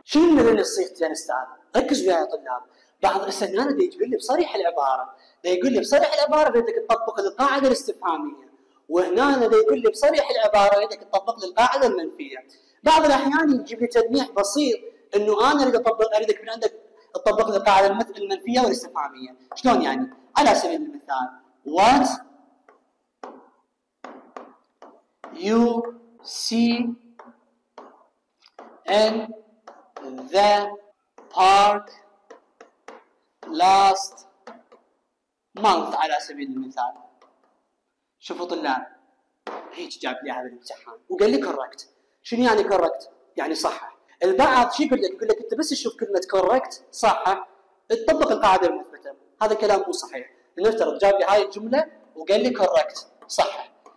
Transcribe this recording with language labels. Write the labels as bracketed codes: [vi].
[ar] شنو من الصيغتين استاذ؟ ركزوا يا طلاب. بعض الاسنان دي يقول لي بصريح العباره، دي يقول لي بصريح العباره بدك تطبق القاعده الاستفهاميه، وهنا دي يقول لي بصريح العباره بدك تطبق القاعده المنفيه. بعض الاحيان يجيب لي تلميح بسيط انه انا اريد اطبق، اريدك من عندك تطبق القاعده المنفيه والاستفهاميه. شلون يعني؟ على سبيل المثال [en] what you see in the park last month [ar] على سبيل المثال. شوفوا طلاب هيك جاب لي هذا الامتحان وقال لي correct. شنو يعني correct؟ يعني صحح. البعض شو يقول لك؟ يقول لك انت بس تشوف كلمة correct صحح تطبق القاعدة المثبتة. هذا كلام مو صحيح. نفترض جاب لي هاي الجملة وقال لي correct صحح.